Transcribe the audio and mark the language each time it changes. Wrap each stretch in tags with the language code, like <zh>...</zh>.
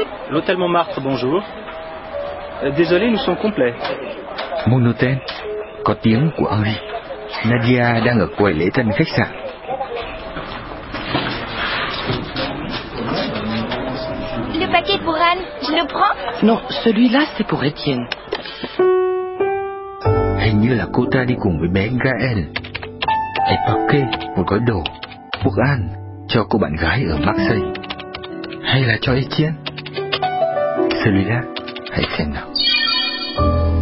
<fr>L'hôtel Montmartre, bonjour. Désolé, nous sommes complets. Mon hôtel,</fr> <vi>có tiếng của Henri. Nadia đang ở quầy lễ tân khách sạn.</vi> <fr>Le paquet pour Anne, je le prends? Non, celui-là c'est pour Étienne.</fr> <vi>Hình như là cô ta đi cùng với bé Gaël.</vi> <fr>Et paquet,</fr> <vi>một gói đồ.</vi> <fr>Pour Anne,</fr> <vi>cho cô bạn gái ở Marseille. Hay là cho Étienne?</vi> <fr>Celui-là,</fr> <vi>hãy xem nào.</vi>